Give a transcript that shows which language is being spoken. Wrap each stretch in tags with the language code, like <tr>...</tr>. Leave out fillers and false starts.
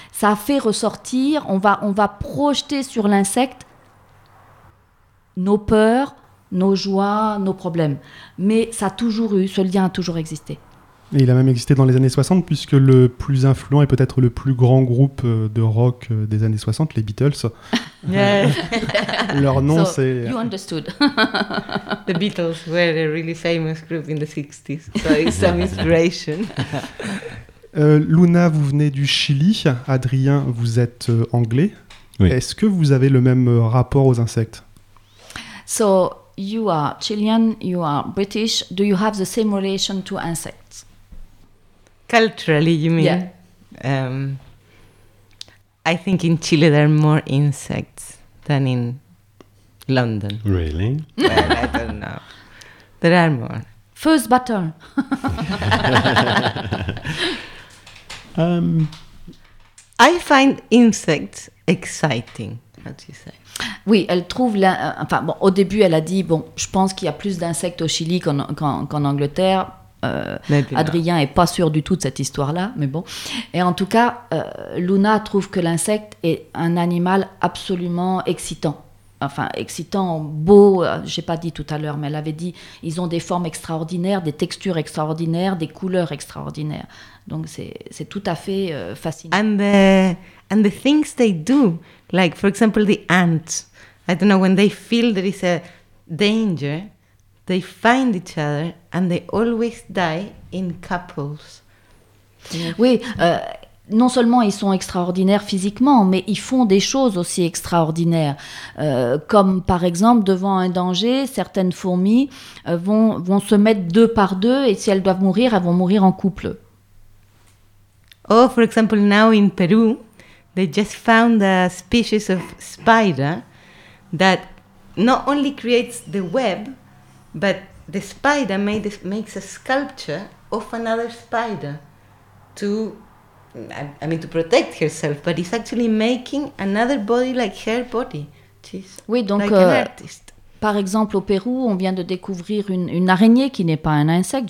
<fr>Ça a fait ressortir, on va projeter sur l'insecte nos peurs, nos joies, nos problèmes. Mais ça a toujours eu, ce lien a toujours existé. Et il a même existé dans les années 60, puisque le plus influent et peut-être le plus grand groupe de rock des années 60, les Beatles. Leur nom,</fr> <en>so,</en> <fr>c'est...</fr> <en>You understood. The Beatles were a really famous group in the 60s. So it's some inspiration.</en> <fr>Luna, vous venez du Chili. Adrien, vous êtes anglais. Oui. Est-ce que vous avez le même rapport aux insectes?</fr> <en>So... You are Chilean, you are British. Do you have the same relation to insects? Culturally, you mean? Yeah. I think in Chile there are more insects than in London. Really? Well, I don't know. There are more. First battle. I find insects exciting, how do you say?</en> <fr>Oui, elle trouve... enfin, bon, au début, elle a dit, bon, je pense qu'il y a plus d'insectes au Chili qu'en Angleterre. Adrien n'est pas sûr du tout de cette histoire-là, mais bon. Et en tout cas, Luna trouve que l'insecte est un animal absolument excitant. Enfin, excitant, beau, j'ai pas dit tout à l'heure, mais elle avait dit, ils ont des formes extraordinaires, des textures extraordinaires, des couleurs extraordinaires. Donc, c'est tout à fait fascinant.</fr> <en>And the things they do... Like, for example, the ants. I don't know, when they feel there is a danger, they find each other and they always die in couples.</en> <fr>Oui, non seulement ils sont extraordinaires physiquement, mais ils font des choses aussi extraordinaires. Comme par exemple, devant un danger, certaines fourmis vont se mettre deux par deux, et si elles doivent mourir, elles vont mourir en couple.</fr> <en>Oh, for example, now in Peru... They just found a species of spider that not only creates the web, but the spider makes a sculpture of another spider to protect herself. But it's actually making another body like her body. She's</en> <fr>oui, donc,</fr> <en>like an artist.</en> <fr>par exemple, au Pérou, on vient de découvrir une araignée qui n'est pas un insecte.</fr>